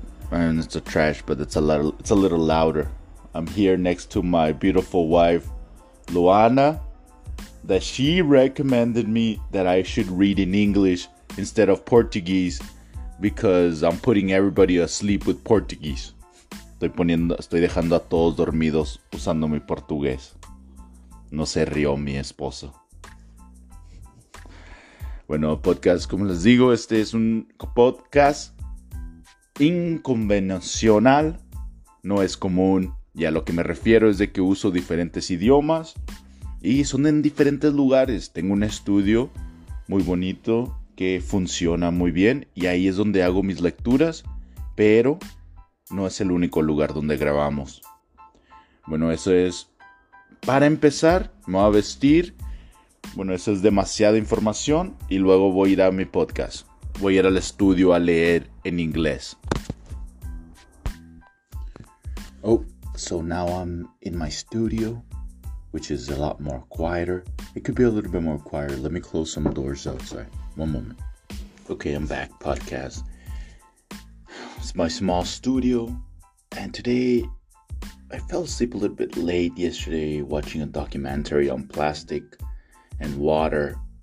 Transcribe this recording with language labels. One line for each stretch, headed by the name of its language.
English: And it's a trash, but it's a little louder. I'm here next to my beautiful wife, Luana, that she recommended me that I should read in English instead of Portuguese because I'm putting everybody asleep with Portuguese.
Spanish: Estoy dejando a todos dormidos usando mi portugués. No se rió mi esposo. Bueno, podcast, como les digo, este es un podcast inconvencional. No es común. Y a lo que me refiero es de que uso diferentes idiomas. Y son en diferentes lugares. Tengo un estudio muy bonito que funciona muy bien. Y ahí es donde hago mis lecturas. Pero no es el único lugar donde grabamos. Bueno, eso es para empezar. Me voy a vestir. Bueno, eso es demasiada información. Y luego voy a ir a mi podcast. Voy a ir al estudio a leer en inglés.
English: Oh, so now I'm in my studio, which is a lot more quieter. It could be a little bit more quieter. Let me close some doors outside. One moment. Okay, I'm back. Podcast. It's my small studio, and today I fell asleep a little bit late yesterday watching a documentary on plastic and water.